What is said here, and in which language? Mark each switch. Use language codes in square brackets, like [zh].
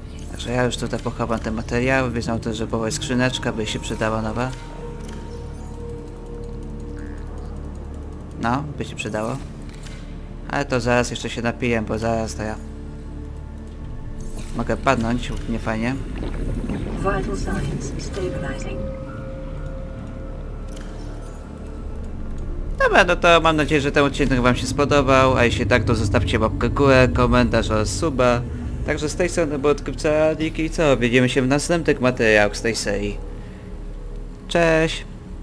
[pl] Także ja już tutaj pochowam te materiały, więc mam też żabowa skrzyneczka, by się przydała nowa. No, by się przydało. Ale to zaraz jeszcze się napiję, bo zaraz to ja... mogę padnąć, nie fajnie. [en] Vital signs stabilizing. [pl] Dobra, no to mam nadzieję, że ten odcinek wam się spodobał, a jeśli tak, to zostawcie łapkę w górę, komentarz oraz suba. Także z tej strony był odkrywca Adik i co, widzimy się w następnych materiałach z tej serii. Cześć!